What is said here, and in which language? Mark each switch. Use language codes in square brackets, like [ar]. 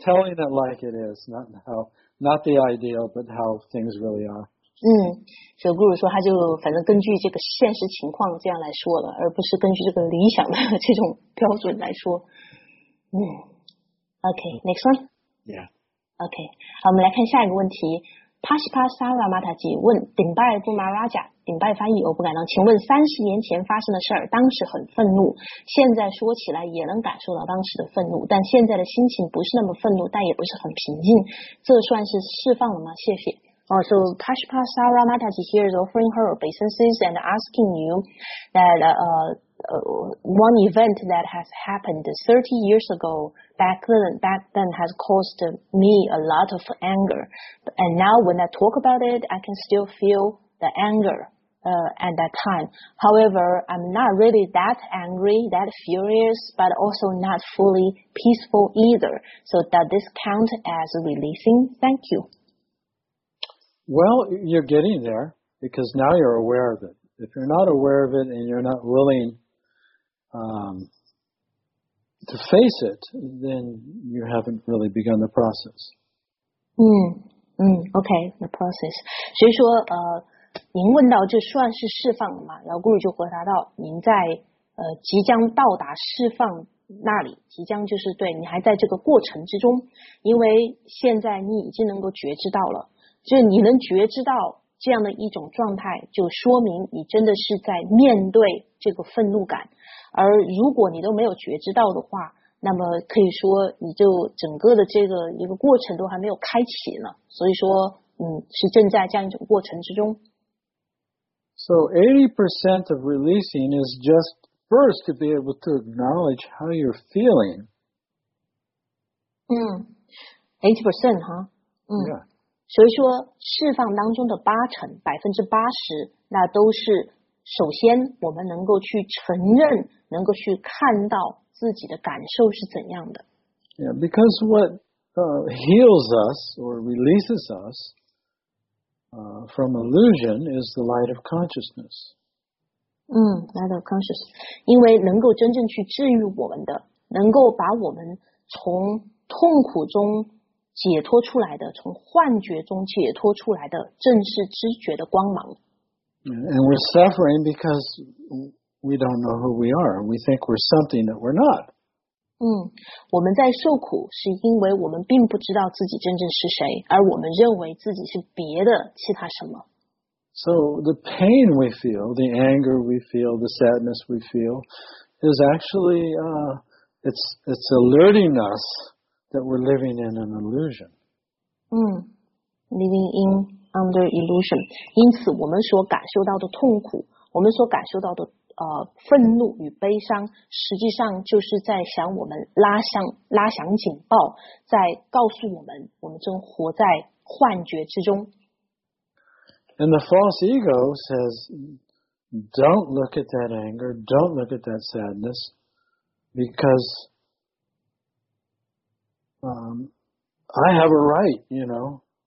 [en] Telling it like it is, not the ideal, but how things really are. [zh] 小姑姑说，他就反正根据这个现实情况这样来说了，而不是根据这个理想的这种标准来说。 [en] Okay, next one. Yeah. [zh] Okay, 好，我们来看下一个问题。Pashpa Sara Mataji 问顶拜布玛拉贾，顶拜翻译，我不敢当。请问30年前发生的事儿，当时很愤怒，现在说起来也能感受到当时的愤怒，但现在的心情不是那么愤怒，但也不是很平静，这算是释放了吗？谢谢。 [en] So Pashpa Sara Mataji here is offering her obeisances and asking you that one event that has happened 30 years ago back then has caused me a lot of anger, and now when I talk about it, I can still feel the anger at that time. However, I'm not really that angry, that furious, but also not fully peaceful either. So does this count as releasing? Thank you. Well, you're getting there because now you're aware of it. If you're not aware of it and you're not willing to face it, then you haven't really begun the process. Okay, the process. [zh] 所以说，您问到这算是释放了吗？然后顾虑就回答到，您在即将到达释放那里，即将就是对你还在这个过程之中，因为现在你已经能够觉知到了，就你能觉知到这样的一种状态，就说明你真的是在面对这个愤怒感。而如果你都没有觉知到的话，那么可以说你就整个的这个一个过程都还没有开启呢。所以说，是正在这样一种过程之中。 [en] So 80% of releasing is just first to be able to acknowledge how you're feeling. [zh] 80% 哈。 [en] Yeah. [zh] 所以说，释放当中的80%，那都是。首先我们能够去承认，能够去看到自己的感受是怎样的。 [en] Yeah, because what heals us or releases us from illusion is the light of consciousness. Light of consciousness. [zh] 因为能够真正去治愈我们的，能够把我们从痛苦中解脱出来的，从幻觉中解脱出来的，正是知觉的光芒。 [en] And we're suffering because we don't know who we are. We think we're something that we're not. [zh] 我们在受苦是因为我们并不知道自己真正是谁，而我们认为自己是别的，其他什么。 [en] So the pain we feel, the anger we feel, the sadness we feel, is actually, it's alerting us that we're living in an illusion. Living in under illusion. [zh] 因此我们所感受到的痛苦，我们所感受到的愤怒与悲伤，实际上就是在向我们拉响警报，在告诉我们，我们正活在幻觉之中。 [en] And the false ego says, don't look at that anger, don't look at that sadness, because I have a right, you know.